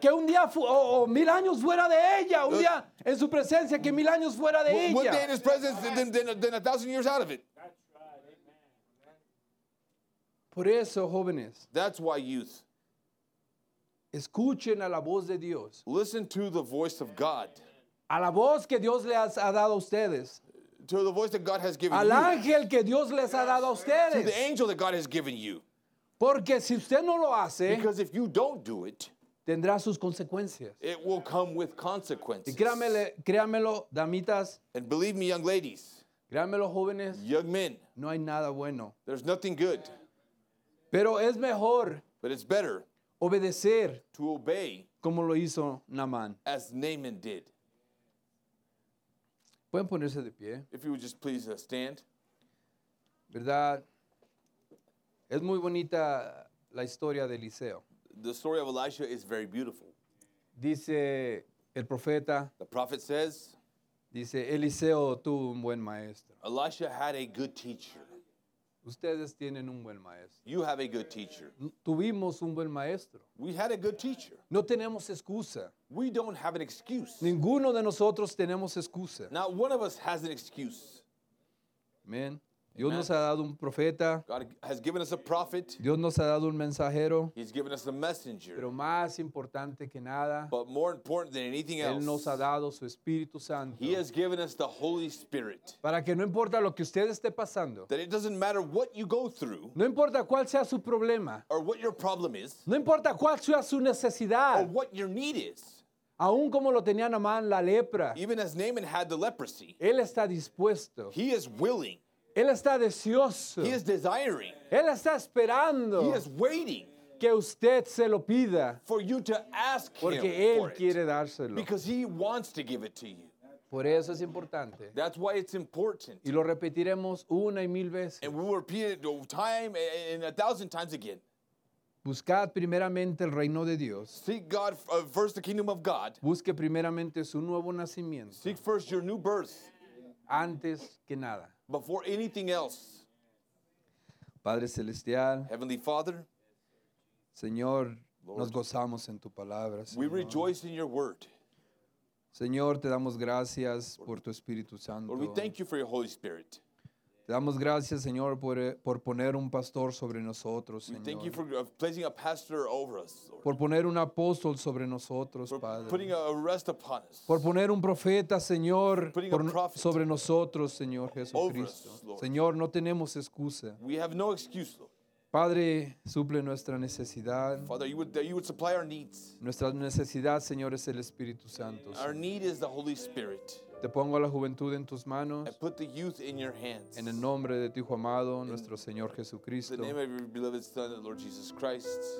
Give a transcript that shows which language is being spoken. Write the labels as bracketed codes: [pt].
[es] Que un día o mil años fuera de ella. Un día en su presencia que mil años fuera de ella. [en] One day in his presence than 1,000 years out of it. [es] Por eso, jóvenes. [en] That's why youth. [es] Escuchen a la voz de Dios. [en] Listen to the voice of God. [es] A la voz que Dios les ha dado a ustedes. [en] To the voice that God has given [es] al [en] you. [es] Al ángel que Dios les ha dado a ustedes. [en] To the angel that God has given you. [es] Porque si usted no lo hace. [en] Because if you don't do it. [es] Tendrá sus consecuencias. [en] It will come with consequences. [es] Y créamelo, damitas. [en] And believe me, young ladies. [es] Créamelo, jóvenes. [en] Young men. [es] No hay nada bueno. [en] There's nothing good. [es] Pero es mejor [en] but it's better [es] obedecer [en] to obey [es] como lo hizo Naaman. [en] As Naaman did. [es] Pueden ponerse de pie. [en] If you would just please stand. [es] ¿Verdad? Es muy bonita la historia de Eliseo. [en] The story of Elisha is very beautiful. [es] Dice el profeta. [en] The prophet says. [es] Dice Eliseo tuvo un buen maestro. [en] Elisha had a good teacher. [es] Ustedes tienen un buen maestro. [en] You have a good teacher. [es] Tuvimos un buen maestro. [en] We had a good teacher. [es] No tenemos excusa. [en] We don't have an excuse. [es] Ninguno de nosotros tenemos excusa. [en] Not one of us has an excuse. [es] Amen. Dios nos ha dado un profeta. [en] God has given us a prophet. [es] Dios nos ha dado un mensajero. [en] He's given us a messenger. [es] Pero más importante que nada. [en] But more important than anything else. [es] Él nos ha dado su Espíritu Santo. [en] He has given us the Holy Spirit. [es] Para que no importa lo que usted esté pasando. [en] That it doesn't matter what you go through. [es] No importa cuál sea su problema. [en] Or what your problem is. [es] No importa cuál sea su necesidad. [en] Or what your need is. [es] Aún como lo tenía Naaman la lepra. [en] Even as Naaman had the leprosy. [es] Él está dispuesto. [en] He is willing. [es] Él está deseoso. [en] He is desiring. [es] Él está esperando. [en] He is waiting. [es] que usted se lo pida. [en] For you to ask him. [es] Porque él quiere dárselo. [en] Because he wants to give it to you. [es] Por eso es importante. [en] That's why it's important. [es] Y lo repetiremos una y mil veces. [en] And we'll repeat it time and a thousand times again. [es] Buscad primeramente el reino de Dios. [en] Seek God first, the kingdom of God. [es] Busque primeramente su nuevo nacimiento. [en] Seek first your new birth. [es] Antes que nada. [en] Before anything else. [es] Padre celestial. [en] Heavenly Father. [es] Señor, [en] Lord, [es] nos gozamos en tu palabra. [en] We [es] Señor. [en] Rejoice in your word. [es] Señor, te damos gracias [en] Lord, [es] por tu Espíritu Santo. [en] Lord, we thank you for your Holy Spirit. [es] Te damos gracias, Señor, por poner un pastor sobre nosotros, Señor. [en] We thank you for placing a pastor over us, Lord. [es] Por poner un apóstol sobre nosotros, [en] for [es] Padre. [en] Putting a rest upon us. [es] Por poner un profeta, Señor, [en] putting a prophet [es] sobre nosotros, Señor Jesucristo. [en] Over us, Lord. [es] Señor, no tenemos excusa. [en] We have no excuse, Lord. [es] Padre, suple nuestra necesidad. [en] Father, you would supply our needs. [es] Nuestra necesidad, Señor, es el Espíritu Santo. [en] Our need is the Holy Spirit. [es] Te pongo a la juventud en tus manos. [en] I put the youth in your hands. [es] En el nombre de tu hijo amado, nuestro Señor Jesucristo. [en] In the name of your beloved Son, the Lord Jesus Christ.